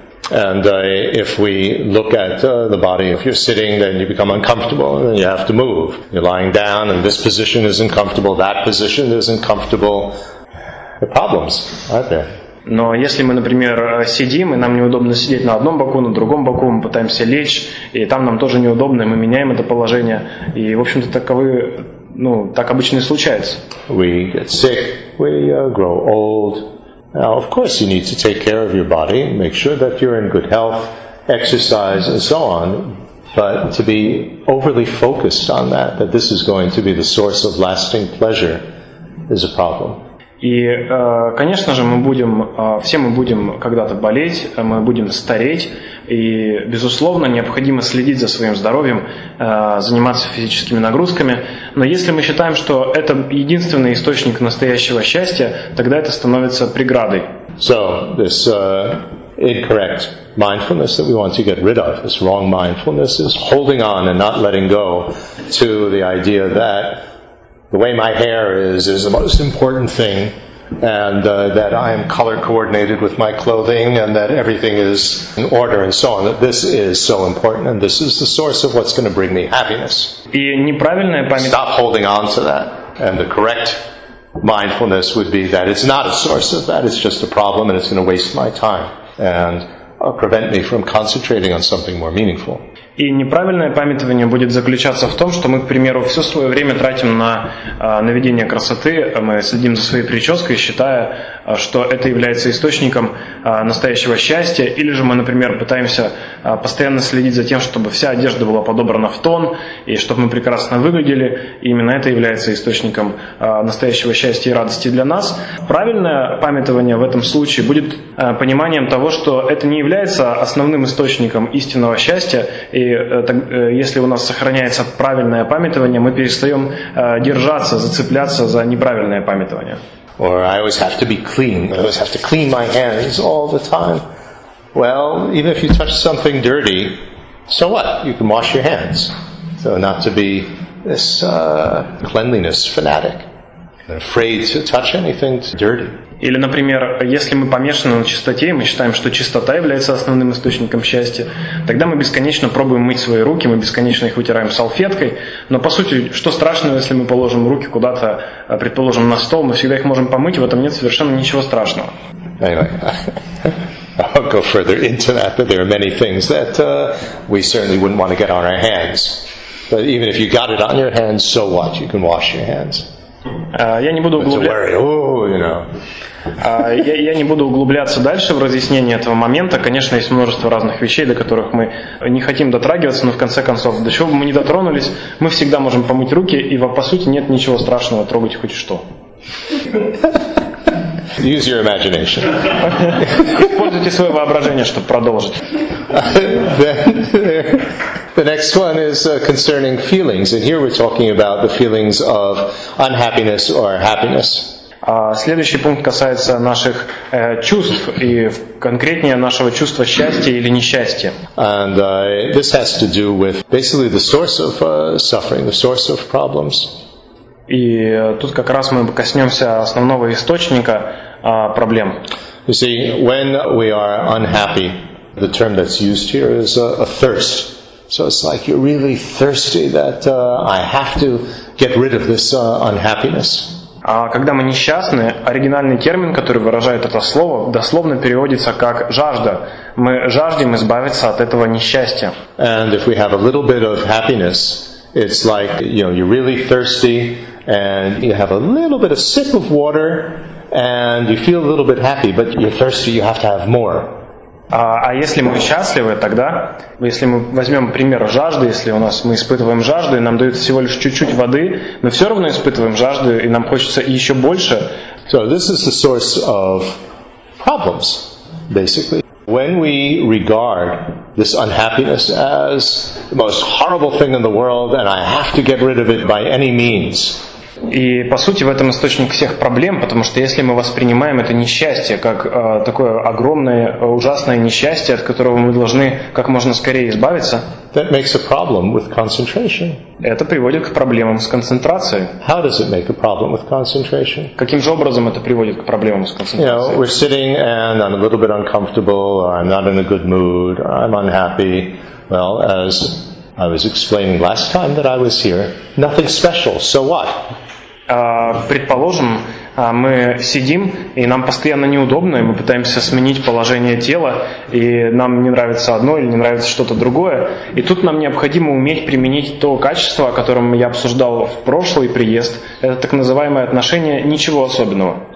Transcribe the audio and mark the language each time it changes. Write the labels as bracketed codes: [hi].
[en] And if we look at the body, if you're sitting, then you become uncomfortable, and you have to move. You're lying down, and this position isn't comfortable, that position isn't comfortable. There are problems, aren't there? [ru] Но если мы, например, сидим, и нам неудобно сидеть на одном боку, на другом боку, мы пытаемся лечь, и там нам тоже неудобно, и мы меняем это положение. И, в общем-то, таковы, ну, так обычно и случается. [en] We get sick, we grow old. Now, of course, you need to take care of your body, make sure that you're in good health, exercise, and so on. But to be overly focused on that, that this is going to be the source of lasting pleasure, is a problem. [ru] И, конечно же, все мы будем когда-то болеть, мы будем стареть, и, безусловно, необходимо следить за своим здоровьем, заниматься физическими нагрузками. Но если мы считаем, что это единственный источник настоящего счастья, тогда это становится преградой. [en] So, this incorrect mindfulness that we want to get rid of, this wrong mindfulness, is holding on and not letting go to the idea that the way my hair is the most important thing, and that I am color coordinated with my clothing, and that everything is in order, and so on. That this is so important, and this is the source of what's going to bring me happiness. Stop holding on to that. And the correct mindfulness would be that it's not a source of that. It's just a problem, and it's going to waste my time and prevent me from concentrating on something more meaningful. [ru] И неправильное памятование будет заключаться в том, что мы, к примеру, все свое время тратим на наведение красоты, мы следим за своей прической, считая, что это является источником настоящего счастья, или же мы, например, пытаемся постоянно следить за тем, чтобы вся одежда была подобрана в тон, и чтобы мы прекрасно выглядели, и именно это является источником настоящего счастья и радости для нас. Правильное памятование в этом случае будет пониманием того, что это не является основным источником истинного счастья, и если у нас сохраняется правильное памятование, мы перестаем держаться, зацепляться за неправильное памятование. [en] Or I always have to be clean. I always have to clean my hands all the time. Well, even if you touch something dirty, so what? You can wash your hands. So not to be this cleanliness fanatic. Afraid to touch anything dirty. [ru] Или, например, если мы помешаны на чистоте, мы считаем, что чистота является основным источником счастья, тогда мы бесконечно пробуем мыть свои руки, мы бесконечно их вытираем салфеткой. Но, по сути, что страшного, если мы положим руки куда-то, предположим, на стол, мы всегда их можем помыть, в этом нет совершенно ничего страшного. [en] Anyway, I'll go further into that, but there are many things that we certainly wouldn't want to get on our hands. But even if you got it on your hands, so what? You can wash your hands. [ru] Я не буду углубляться. [en] Oh, you know. [ru] Я не буду углубляться дальше в разъяснение этого момента. Конечно, есть множество разных вещей, до которых мы не хотим дотрагиваться, но в конце концов, до чего бы мы ни дотронулись, мы всегда можем помыть руки, и по сути нет ничего страшного трогать хоть что. [en] Use your imagination. [ru] Используйте свое воображение, чтобы продолжить. [en] The next one is concerning feelings, and here we're talking about the feelings of unhappiness or happiness. [ru] Следующий пункт касается наших чувств и конкретнее нашего чувства счастья или несчастья. [en] And this has to do with basically the source of suffering, the source of problems. [ru] И тут как раз мы коснемся основного источника проблем. [en] You see, when we are unhappy, the term that's used here is a thirst. So it's like you're really thirsty that I have to get rid of this unhappiness. [ru] А когда мы несчастны, оригинальный термин, который выражает это слово, дословно переводится как «жажда». Мы жаждем избавиться от этого несчастья. [en] And if we have a little bit of happiness, it's like, you know, you're really thirsty, and you have a little bit of sip of water, and you feel a little bit happy, but you're thirsty, you have to have more. [ru] А если мы счастливы, тогда, если мы возьмем пример жажды, если у нас мы испытываем жажду, и нам дают всего лишь чуть-чуть воды, мы все равно испытываем жажду, и нам хочется еще больше. [en] So this is the source of problems, basically. When we regard this unhappiness as the most horrible thing in the world, and I have to get rid of it by any means. [ru] И по сути в этом источник всех проблем, потому что если мы воспринимаем это несчастье как такое огромное, ужасное несчастье, от которого мы должны как можно скорее избавиться, [en] that makes a problem with concentration. [ru] Это приводит к проблемам с концентрацией. [en] How does it make a problem with concentration? [ru] Каким же образом это приводит к проблемам с концентрацией? [en] You know, we're sitting and I'm a little bit uncomfortable, or I'm not in a good mood, or I'm unhappy. Well, as I was explaining last time that I was here, nothing special, so what? [ru] Предположим, мы сидим, и нам постоянно неудобно, и мы пытаемся сменить положение тела, и нам не нравится одно или не нравится что-то другое. И тут нам необходимо уметь применить то качество, о котором я обсуждал в прошлый приезд. Это так называемое отношение «ничего особенного».